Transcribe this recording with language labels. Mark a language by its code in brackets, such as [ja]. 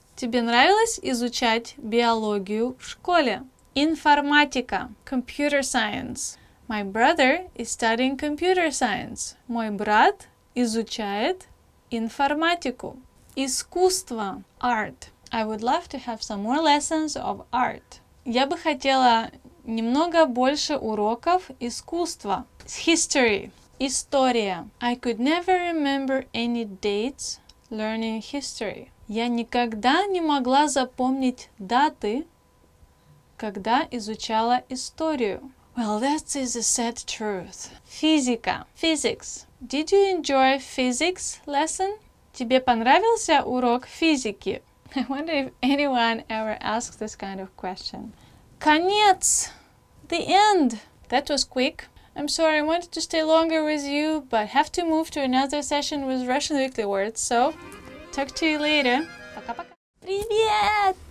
[ru] Тебе нравилось изучать биологию в школе? [en] Информатика. Computer science. My brother is studying computer science. [ru] Мой брат изучает информатику. Искусство. Art. [en] I would love to have some more lessons of art. [ru] Я бы хотела немного больше уроков искусства. [en] History. [ru] История. [en] I could never remember any dates learning history. [ru] Я никогда не могла запомнить даты, когда изучала историю. [en] Well, that is a sad truth. [ru] Физика. [en] Physics. Did you enjoy physics lesson? [ru] Тебе понравился урок физики? [en] I wonder if anyone ever asks this kind of question. [ru] Конец. [en] The end. That was quick. I'm sorry, I wanted to stay longer with you, but have to move to another session with Russian Weekly Words, so talk to you later. [ru] Пока-пока. Привет!